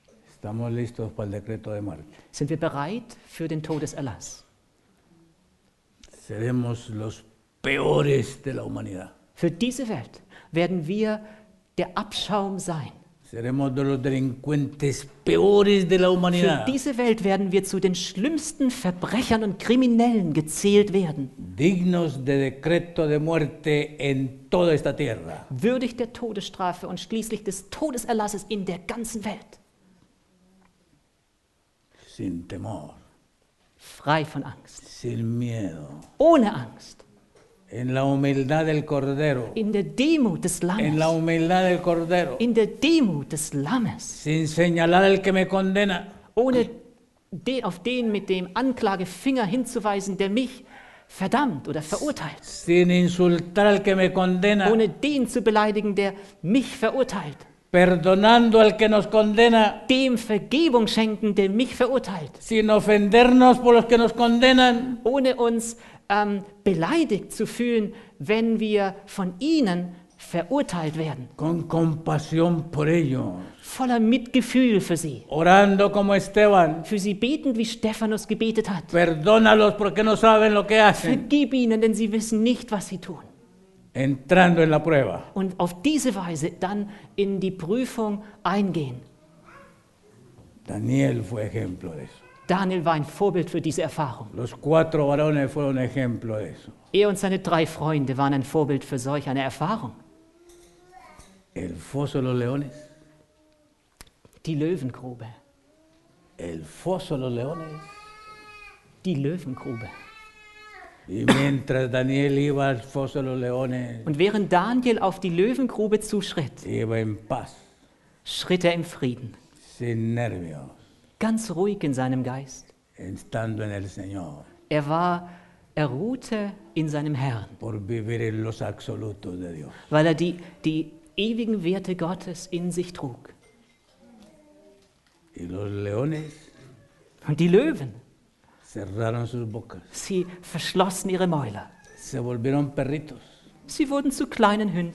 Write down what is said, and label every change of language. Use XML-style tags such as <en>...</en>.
<es>estamos listos para el decreto de muerte.</es> <de>Sind wir bereit für den Todeserlass?</de> <es>Seremos los peores de la humanidad.</es> <de>Für diese Welt werden wir der Abschaum sein.</de> <es>Seremos de los delincuentes peores de la humanidad.</es> <de>Für diese Welt werden wir zu den schlimmsten Verbrechern und Kriminellen gezählt werden.</de> <es>Dignos de decreto de muerte en toda esta tierra.</es> <de>Würdig der Todesstrafe und schließlich des Todeserlasses in der ganzen Welt.</de> <es>Sin temor.</es> <de>Frei von Angst.</de> <es>Sin miedo.</es> <de>Ohne Angst.</de> <es>En la humildad del cordero.</es> <de>In der Demut des Lammes.</de> <es>En la humildad del cordero.</es> <de>In der Demut des Lammes.</de> <es>Sin señalar el que me condena.</es> <de>Ohne auf den mit dem Anklagefinger hinzuweisen, der mich verdammt oder verurteilt.</de> <es>Sin insultar al que me condena.</es> <de>Ohne den zu beleidigen, der mich verurteilt.</de> <es>Perdonando al que nos condena.</es> <de>Dem Vergebung schenken, der mich verurteilt.</de> <es>Sin ofendernos por los que nos condenan.</es> <de>Ohne uns beleidigt zu fühlen, wenn wir von ihnen verurteilt werden.</de> <es>Con compasión por ellos.</es> <de>Voller Mitgefühl für sie.</de> <es>Orando como Esteban.</es> <de>Für sie betend, wie Stephanus gebetet hat.</de> <es>Perdónalos porque no saben lo que hacen.</es> <de>Vergib ihnen, denn sie wissen nicht, was sie tun.</de> <es>Entrando en la prueba.</es> <de>Und auf diese Weise dann in die Prüfung eingehen.</de> <es>Daniel fue ejemplo de eso.</es> <de>Daniel war ein Vorbild für diese Erfahrung.</de> <es>Los cuatro varones fueron ejemplo de eso.</es> <de>Er und seine drei Freunde waren ein Vorbild für solch eine Erfahrung.</de> <es>El foso de los leones.</es> <de>Die Löwengrube.</de> <es>El foso de los leones.</es> <de>Die Löwengrube.</de> <es>Y mientras Daniel iba al foso de los leones,</es> <de>und während Daniel auf die Löwengrube zuschritt,</de> <es>iba en paz,</es> <de>schritt er im Frieden.</de> <es>Sin nervios.</es> <de>Ganz ruhig in seinem Geist.</de> <es>Estando en el Señor.</es> <de>Er ruhte in seinem Herrn.</de> <es>Por vivir en los absolutos de Dios.</es> <de>Weil er die ewigen Werte Gottes in sich trug.</de> <es>Y los leones.</es> <de>Und die Löwen.</de> <es>Cerraron sus bocas.</es> <de>Sie verschlossen ihre Mäuler.</de> <es>Se volvieron perritos.</es> <de>Sie wurden zu kleinen Hündlein.</de>